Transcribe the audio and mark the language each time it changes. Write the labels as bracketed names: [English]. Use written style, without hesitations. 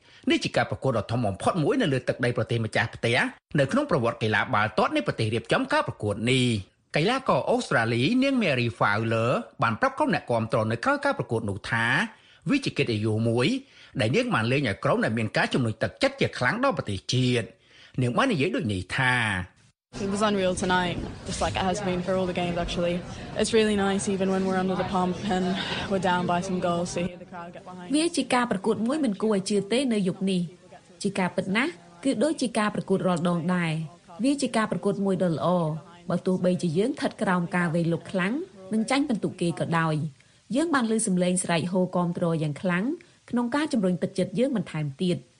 [Khmer] នេះជាការប្រកួតដ៏ធំបំផុតមួយនៅលើទឹកដីប្រទេសម្ចាស់ផ្ទះនៅក្នុងប្រវត្តិកីឡាបាល់ទាត់នៃប្រទេសរៀបចំការប្រកួតនេះកីឡាករអូស្ត្រាលីនាងមេរីហ្វាវឡឺបានប្រាប់ក្រុមអ្នកគាំទ្រនៅក្រោយការប្រកួតនោះថាវាជាកិត្តិយសមួយដែលនាងបានលើកឲ្យក្រុមដែលមានការជំនួយទឹកចិត្តជាខ្លាំងដល់ប្រទេសជាតិនាងបាននិយាយដូចនេះថា [English] It was unreal tonight just like it has been for all the games actually It's really nice even when we're under the pump and we're down by some goals to hear the crowd get behind [Khmer] វាជាការប្រកួតមួយមិនគួរឲ្យជឿទេនៅយុគនេះជាការពិតណាស់គឺដូចជាការប្រកួតរាល់ដងដែរវាជាការប្រកួតមួយដ៏ល្អបើទោះបីជាយើងថិតក្រោមការវាយលុកខ្លាំងនិងចាញ់បន្ទុកគេក៏ដោយយើងបានលើសំឡេងស្រែកហ៊ោគាំទ្រយ៉ាងខ្លាំងក្នុងការជំរុញទឹកចិត្តយើងបន្ថែមទៀត